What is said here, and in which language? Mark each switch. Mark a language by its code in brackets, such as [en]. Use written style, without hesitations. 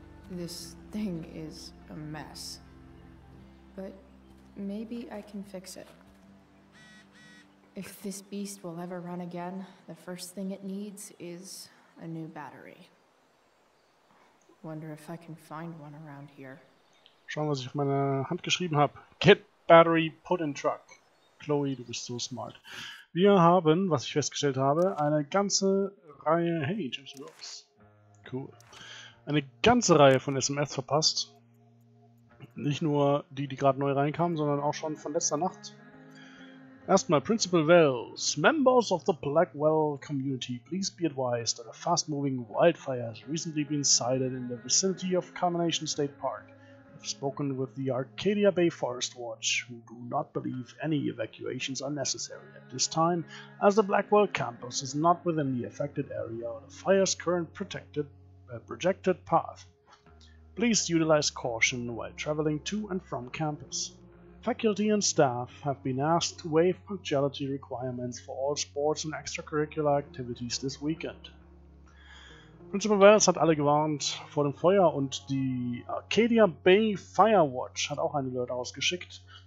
[en] This thing is a mess, but maybe I can fix it. If this beast will ever run again, the first thing it needs is a new battery. Wonder if I can find one around here. [de] Schauen, was ich auf meine Hand geschrieben habe. [en] Get battery put in truck. [de] Chloe, du bist so smart. Wir haben, was ich festgestellt habe, eine ganze Reihe. Hey, James Brooks. Cool. Eine ganze Reihe von SMS verpasst. Nicht nur die, die gerade neu reinkamen, sondern auch schon von letzter Nacht. Erstmal Principal Wells. [en] Members of the Blackwell Community, please be advised that a fast-moving wildfire has recently been sighted in the vicinity of Carmination State Park. I've spoken with the Arcadia Bay Forest Watch, who do not believe any evacuations are necessary at this time, as the Blackwell campus is not within the affected area or the fire's current protected projected path. Please utilize caution while traveling to and from campus. Faculty and staff have been asked to waive punctuality requirements for all sports and extracurricular activities this weekend. [de] Principal Wells hat alle gewarnt vor dem Feuer und die Arcadia Bay Firewatch hat auch einen Alert ausgeschickt.